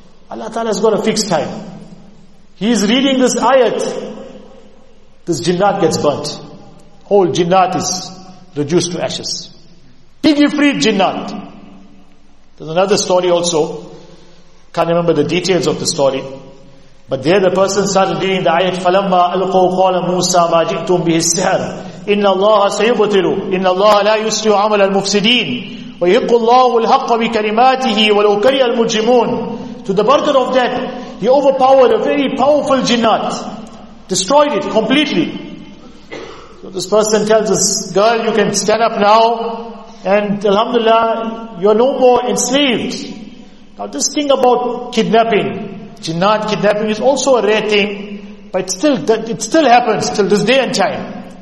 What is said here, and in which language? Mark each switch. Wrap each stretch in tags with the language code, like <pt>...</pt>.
<en>Allah Ta'ala has got a fixed time. He is reading this ayat. This jinnat gets burnt. Whole jinnat is reduced to ashes. Big ifrit jinnat. There's another story also. Can't remember the details of the story. But there the person started reading the ayat,</en> <ar>فَلَمَّا أَلْقُوا قَالَ مُوسَى مَا جِئْتُمْ بِهِ السِّحْرِ إِنَّ اللَّهَ سَيُبْطِلُ إِنَّ اللَّهَ لَا يُسْلِحُ عَمَلَ الْمُفْسِدِينَ وَيُحِقُّ اللَّهُ الْحَقَّ بِكَلِمَاتِهِ وَلَوْ كَرِهَ الْمُجْرِمُونَ.</ar> <en>To the burden of that, he overpowered a very powerful jinnat. Destroyed it completely. So this person tells this girl, you can stand up now, and alhamdulillah, you're no more enslaved. Now this thing about kidnapping, jinnat kidnapping is also a rare thing, but it still happens till this day and time.</en>